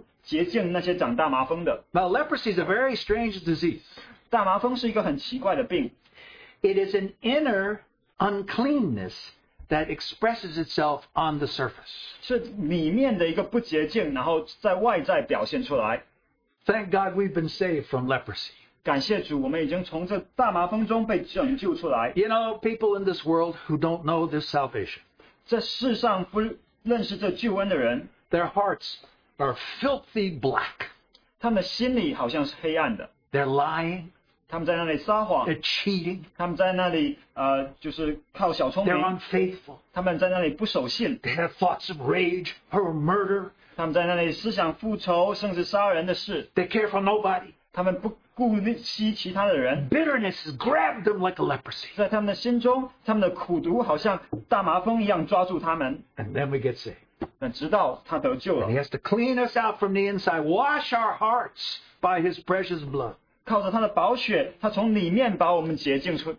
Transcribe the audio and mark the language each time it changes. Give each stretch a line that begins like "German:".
Chinese: 我们在福音书里面也看到另外一个例子，就是耶稣洁净那些长大麻风的。
English: Now leprosy is a very strange disease.
Chinese: 大麻风是一个很奇怪的病。
English: It is an inner uncleanness that expresses itself on the surface.
Chinese: 是里面的一个不洁净，然后在外在表现出来。
English: Thank God we've been saved from leprosy.
Chinese: 感谢主，我们已经从这大麻风中被拯救出来。
English: You know, people in this world who don't know this salvation.
Chinese: 在世上不认识这救恩的人,
English: their hearts are filthy black.
Chinese: 他们的心里好像是黑暗的,
English: they're lying.
Chinese: 他们在那里撒谎,
English: they're cheating.
Chinese: 他们在那里, 就是靠小聪明,
English: they're unfaithful.
Chinese: 他们在那里不守信,
English: they have thoughts of rage or murder.
Chinese: 他们在那里思想复仇,
English: they care for nobody.
Chinese: 他们不顾惜其他的人,
English: bitterness has grabbed them like a leprosy.
Chinese: 在他们的心中, 他们的苦毒好像大麻风一样抓住他们,
English: and then we get saved.
Chinese: 直到他得救了,
English: and he has to clean us out from the inside, wash our hearts by his precious blood.
Chinese: 靠着他的宝血, 他从里面把我们洁净,